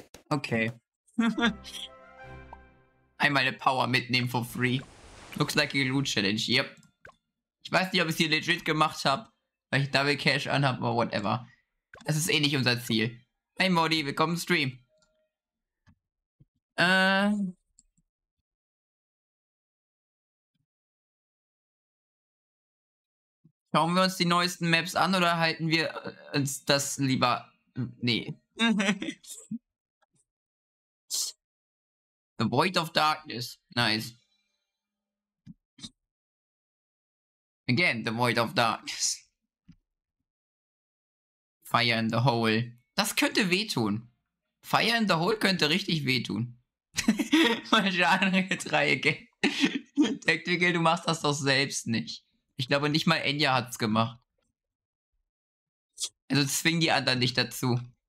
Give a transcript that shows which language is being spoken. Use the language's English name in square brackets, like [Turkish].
[English] Okay. I might have power [German] mitnehmen [English] for free. Looks like a loot challenge, yep. [German] Ich weiß nicht, ob ich es hier legit gemacht habe, weil ich Double Cash anhab, aber whatever. Das ist eh nicht unser Ziel. Hey Modi, willkommen im Stream. Schauen wir uns die neuesten Maps an oder halten wir uns das lieber... Nee. [English] The Void of Darkness. Nice. Again, the Void of Darkness. [German] Fire in the Hole. Das könnte wehtun. Fire in the Hole könnte richtig wehtun. Mal Genre-Dreiecke. Tactical, du machst das doch selbst nicht. Ich glaube, nicht mal Enya hat's gemacht. Also zwing die anderen nicht dazu.